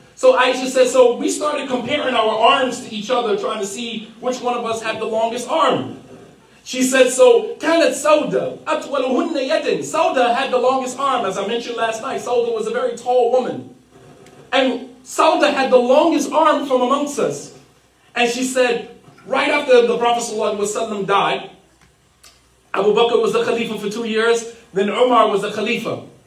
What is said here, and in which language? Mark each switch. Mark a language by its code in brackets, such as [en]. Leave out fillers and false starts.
[en] So Aisha said, so we started comparing our arms to each other, trying to see which one of us had the longest arm. She said, so [ar] كانت سودة أطولهن يدن. [en] سودة had the longest arm, as I mentioned last night. سودة was a very tall woman. And سودة had the longest arm from amongst us. And she said, right after the Prophet sallallahu alaihi wasallam died, Abu Bakr was the Khalifa for 2 years, then Umar was the Khalifa.